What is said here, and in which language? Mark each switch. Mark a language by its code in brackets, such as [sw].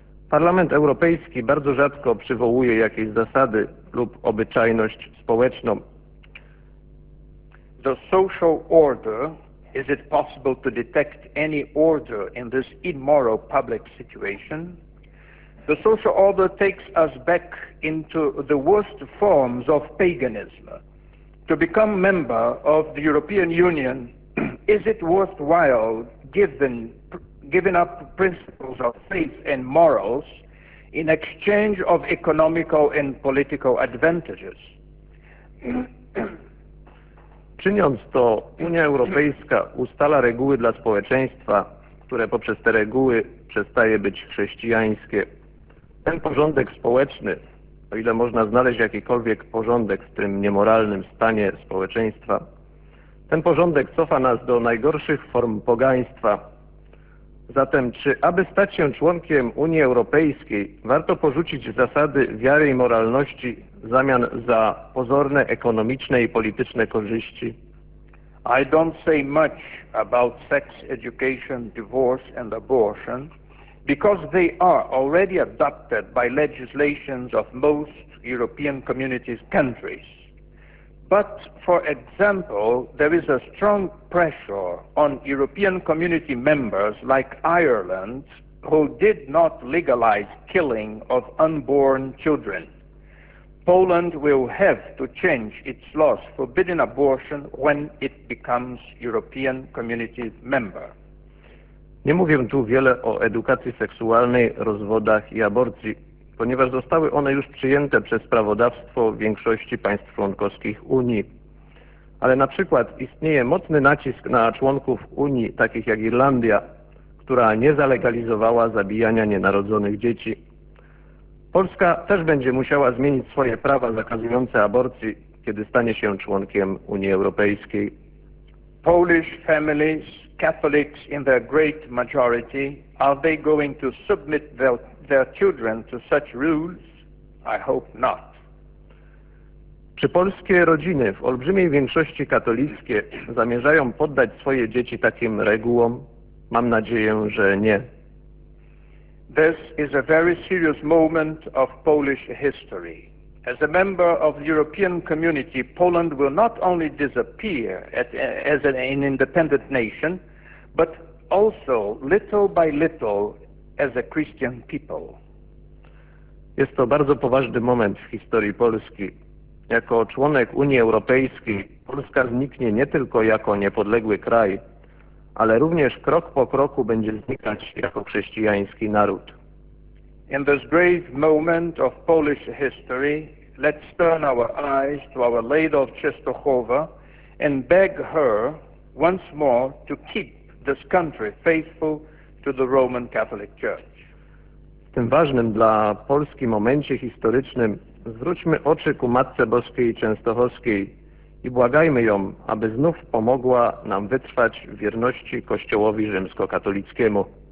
[pl] Parlament Europejski bardzo rzadko przywołuje jakieś zasady lub obyczajność społeczną. [en] The social order, is it possible to detect any order in this immoral public situation? The social order takes us back into the worst forms of paganism. To become member of the European Union, is it worthwhile giving up principles of faith and morals in exchange of economical and political advantages? [pl] Czyniąc to, Unia Europejska ustala reguły dla społeczeństwa, które poprzez te reguły przestaje być chrześcijańskie. Ten porządek społeczny, o ile można znaleźć jakikolwiek porządek w tym niemoralnym stanie społeczeństwa, ten porządek cofa nas do najgorszych form pogaństwa. Zatem, czy aby stać się członkiem Unii Europejskiej, warto porzucić zasady wiary i moralności w zamian za pozorne ekonomiczne i polityczne korzyści? [en] I don't say much about sex education, divorce and abortion, because they are already adopted by legislations of most European Community countries. But, for example, there is a strong pressure on European Community members like Ireland, who did not legalize killing of unborn children. Poland will have to change its laws forbidding abortion when it becomes European Community member. [pl] Nie mówię tu wiele o edukacji seksualnej, rozwodach i aborcji, ponieważ zostały one już przyjęte przez prawodawstwo w większości państw członkowskich Unii. Ale na przykład istnieje mocny nacisk na członków Unii, takich jak Irlandia, która nie zalegalizowała zabijania nienarodzonych dzieci. Polska też będzie musiała zmienić swoje prawa zakazujące aborcji, kiedy stanie się członkiem Unii Europejskiej. [en] Polish families, Catholics in their great majority, are they going to submit their children to such rules? I hope not. [pl] Czy polskie rodziny, w olbrzymiej większości katolickie, zamierzają poddać swoje dzieci takim regułom? Mam nadzieję, że nie. [en] This is a very serious moment of Polish history. As a member of the European Community, Poland will not only disappear as an independent nation, but also, little by little, as a Christian people. [pl] Jest to bardzo poważny moment w historii Polski. Jako członek Unii Europejskiej, Polska zniknie nie tylko jako niepodległy kraj, ale również krok po kroku będzie znikać jako chrześcijański naród. [en] In this grave moment of Polish history, let's turn our eyes to Our Lady of Częstochowa and beg her once more to keep this country faithful to the Roman Catholic Church. [pl] W tym ważnym dla Polski momencie historycznym zwróćmy oczy ku Matce Boskiej Częstochowskiej i błagajmy ją, aby znów pomogła nam wytrwać w wierności Kościołowi rzymskokatolickiemu.